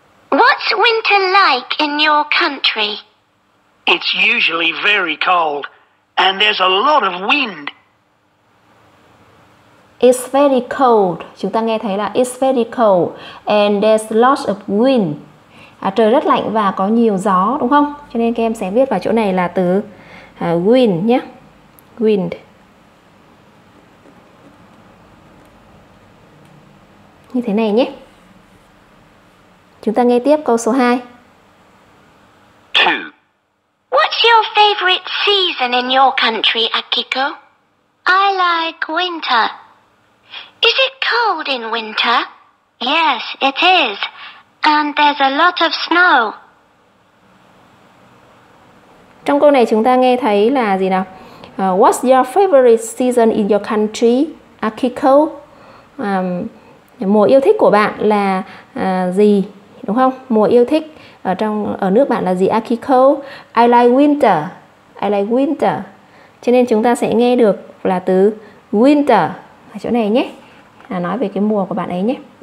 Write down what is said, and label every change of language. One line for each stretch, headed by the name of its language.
English: What's winter like in your country? It's usually very cold, and there's a lot of wind. It's very cold.
Vietnamese: Chúng ta nghe thấy là
English: it's very cold, and there's lots of wind.
Vietnamese: Trời rất lạnh và có nhiều gió, đúng không? Cho nên các em sẽ viết vào chỗ này là từ wind nhé. Wind. Như thế này nhé. Chúng ta nghe tiếp câu số 2.
English: 2. What's your favorite season in your country, Akiko? I like winter. Is it cold in winter? Yes, it is. And there's a lot of snow.
Vietnamese: Trong câu này chúng ta nghe thấy là gì nào?
English: What's your favorite season in your country, Akiko?
Vietnamese: Mùa yêu thích của bạn là gì? Đúng không? Mùa yêu thích ở nước bạn là gì, Akiko?
English: I like winter. I like winter.
Vietnamese: Cho nên chúng ta sẽ nghe được là từ winter ở chỗ này nhé. Là nói về cái mùa của bạn ấy nhé.